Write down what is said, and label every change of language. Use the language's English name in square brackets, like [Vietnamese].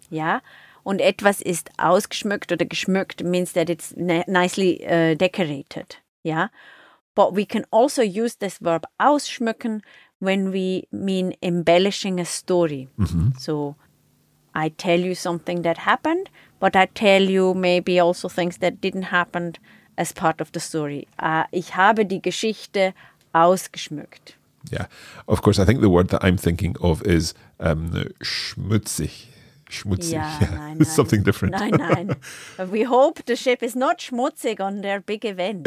[German] Ja, und etwas ist ausgeschmückt oder geschmückt [English] means that it's nicely decorated, [German] ja. [English] But we can also use this verb ausschmücken when we mean embellishing a story. Mm-hmm. So I tell you something that happened, but I tell you maybe also things that didn't happen as part of the story. [German] Ich habe die Geschichte ausgeschmückt. [English] Yeah, of course, I think the word that I'm thinking of is schmutzig. [German] Schmutzig, ja, yeah. Nein, [English] it's something different. [German] Nein, nein. [English] We hope the ship is not schmutzig on their big event.